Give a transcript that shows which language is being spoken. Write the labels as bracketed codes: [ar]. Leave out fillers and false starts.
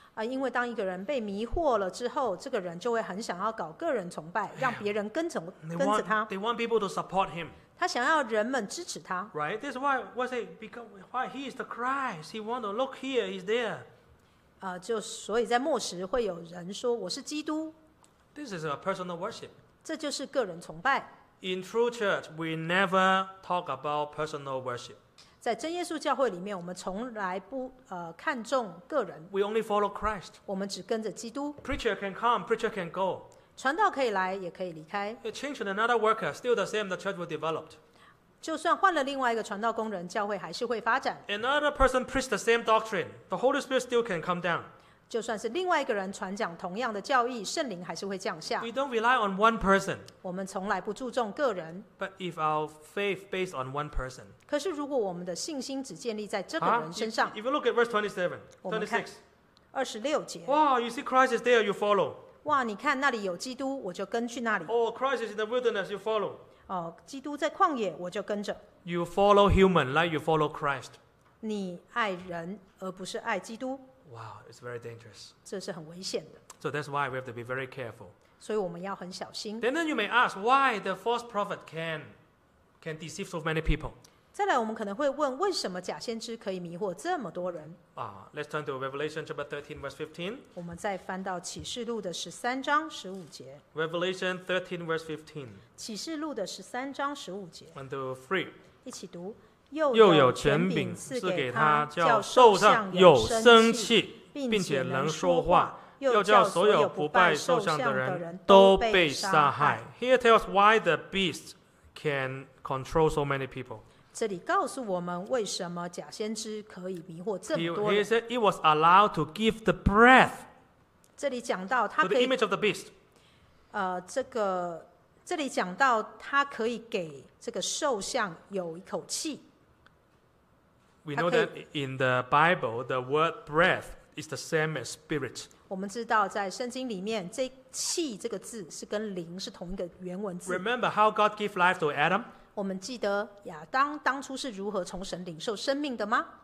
[zh] 因为当一个人被迷惑了之后，这个人就会很想要搞个人崇拜，让别人跟着他。 [en] They want people to support him. [zh] 他想要人们支持他。 [en] Right? This is why was it become why he is the Christ? He want to look here, he's there. [zh] 就所以在末时会有人说我是基督。 [en] This is a personal worship. [zh] 这就是个人崇拜。 [en] In true church, we never talk about personal worship. [zh] 在真耶稣教会里面，我们从来不看重个人。 [en] We only follow Christ. [zh] 我们只跟着基督。 [en] Preacher can come, preacher can go. [zh] 传道可以来，也可以离开。 [en] It changed another worker, still the same. The church will develop. [zh] 就算换了另外一个传道工人，教会还是会发展。 [en] Another person preached the same doctrine. The Holy Spirit still can come down. [zh] 就算是另外一个人传讲同样的教义，圣灵还是会降下。 [en] We don't rely on one person. [zh] 我们从来不注重个人。 [en] But if our faith based on one person. [zh] 可是如果我们的信心只建立在这个人身上 [en] if you look at verse 27, 26, [zh] 26节 [en] Wow, you see Christ is there, you follow. [zh] 哇，你看那里有基督，我就跟去那里。 [en] Oh, Christ is in the wilderness, you follow. [zh] 哦，基督在旷野，我就跟着。 [en] You follow human like you follow Christ. [zh] 你爱人而不是爱基督。 [en] Wow, it's very dangerous. [zh] 这是很危险的。 [en] So that's why we have to be very careful. [zh] 所以我们要很小心。 [en] Then you may ask, why the false prophet can deceive so many people? [zh] 再来，我们可能会问，为什么假先知可以迷惑这么多人？ [en] Let's turn to Revelation chapter 13, verse 15. [zh] 我们再翻到启示录的十三章十五节。 [en] Revelation 13, verse 15. [zh] 启示录的十三章十五节。 [en] One, two, three. [zh] 一起读。又有权柄赐给他，叫兽上有生气，并且能说话，又叫所有不拜兽像的人都被杀害。 [en] Here tells why the beast can control so many people. [zh] 这里告诉我们为什么假先知可以迷惑这么多人。 [en] He said it was allowed to give the breath. [zh] 这里讲到他可以 [en] to the image of the beast. [zh] 这里讲到他可以给这个兽像有一口气。 [en] We know that in the Bible, the word breath is the same as spirit. [zh] 我们知道在圣经里面，这气这个字是跟灵是同一个原文字。 [en] Remember how God gave life to Adam? [zh] 我们记得亚当当初是如何从神领受生命的吗？